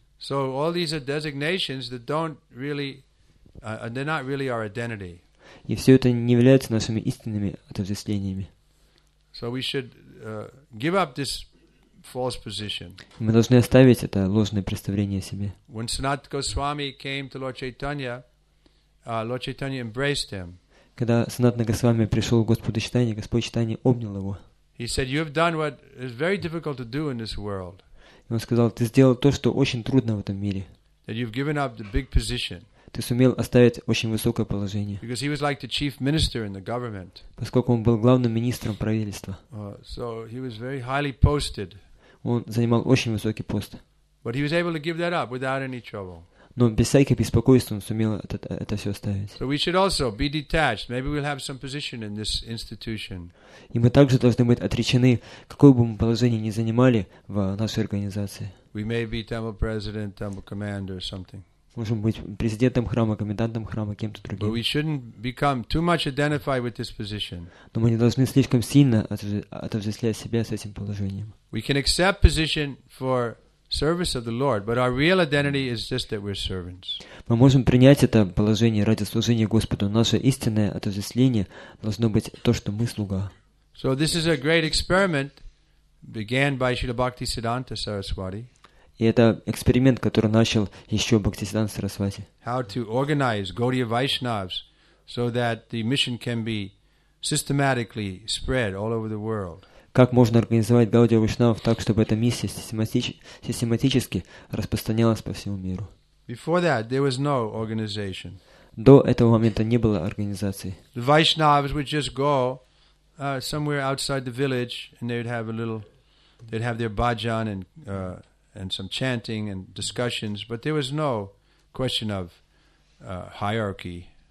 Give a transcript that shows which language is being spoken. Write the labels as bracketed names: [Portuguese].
[English] So all these are designations that don't really, they're not really our identity. [Russian] И все это не является нашими истинными отождествлениями. [English] So we should give up this false position. [Russian] Мы должны оставить это ложное представление о себе. [English] When Sanat Goswami came to Lord Chaitanya. Lord Chaitanya embraced him. [Russian] Когда Санатана Госвами пришел к Господу Читания, Господь Читания обнял его. [English] He said, "You have done what is very difficult to do in this world." [Russian] Он сказал, ты сделал то, что очень трудно в этом мире. [English] That you've given up the big position. [Russian] Ты сумел оставить очень высокое положение. [English] Because he was like the chief minister in the government. [Russian] Поскольку он был главным министром правительства. [English] So he was very highly posted. [Russian] Он занимал очень высокий пост. [English] But he was able to give that up without any trouble. [Russian] Но без всяких беспокойств он сумел это все оставить. [English] So we should also be detached. Maybe we'll have some position in this institution. [Russian] И мы также должны быть отречены, какое бы мы положение ни занимали в нашей организации. [English] We may be temple president, temple commander, or something. [Russian] Можем быть президентом храма, комендантом храма, кем-то другим. [English] But we shouldn't become too much identified with this position. [Russian] Но мы не должны слишком сильно отождествлять себя с этим положением. [English] We can accept position for service of the Lord, but our real identity is just that we're servants. [Russian] Мы можем принять это положение ради служения Господу. Наше истинное отождествление должно быть то, что мы слуга. [English] So this is a great experiment began by Srila Bhaktisiddhanta Saraswati. [Russian] И это эксперимент, который начал еще Бхактисиддханта Сарасвати. [English] How to organize Gaudiya Vaishnavas so that the mission can be systematically spread all over the world. [Russian] Как можно организовать Гаудия Вайшнавов так, чтобы эта миссия систематически распространялась по всему миру? [English] Before that, there was no organization. [Russian] До этого момента не было организации. [English] The Vaishnavas would just go somewhere outside the village, and they'd have a little, they'd have their bhajan and some chanting and discussions, but there was no question of hierarchy.